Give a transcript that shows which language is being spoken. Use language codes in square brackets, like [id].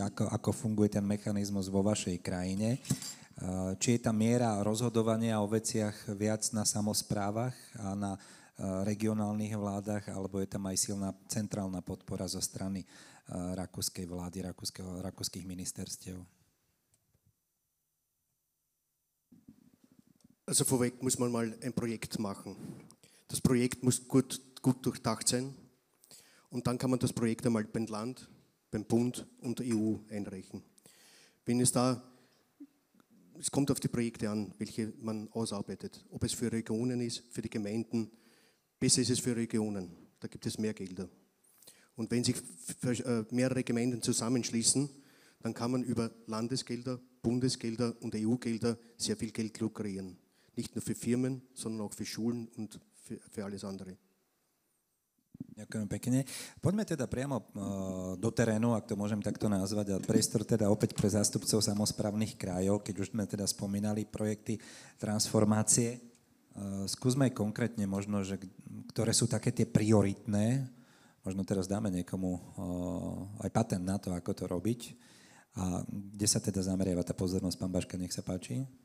[sk] Ako funguje ten mechanizmus vo vašej krajine? Či je tá miera rozhodovania o veciach viac na samosprávach a na regionálnych vládach, alebo je tam aj silná centrálna podpora zo strany rakúskej vlády, rakúskych ministerstiev? [de] Also vorweg muss man mal ein Projekt machen. Das Projekt muss gut durchdacht sein und dann kann man das Projekt einmal beim Land, beim Bund und der EU einreichen. Wenn es da, es kommt auf die Projekte an, welche man ausarbeitet, ob es für Regionen ist, für die Gemeinden, besser ist es für Regionen, da gibt es mehr Gelder. Und wenn sich mehrere Gemeinden zusammenschließen, dann kann man über Landesgelder, Bundesgelder und EU-Gelder sehr viel Geld lukrieren. Nicht nur für Firmen, sondern auch für Schulen und für alles andere. [sk] Ďakujem pekne. Poďme teda priamo do terénu, ak to môžem takto nazvať, a priestor teda opäť pre zástupcov samosprávnych krajov, keď už sme teda spomínali projekty transformácie. Skúsme konkrétne možno, že ktoré sú také tie prioritné, možno teraz dáme niekomu aj patent na to, ako to robiť, a kde sa teda zamerieva tá pozornosť, pán Baška, nech sa páči.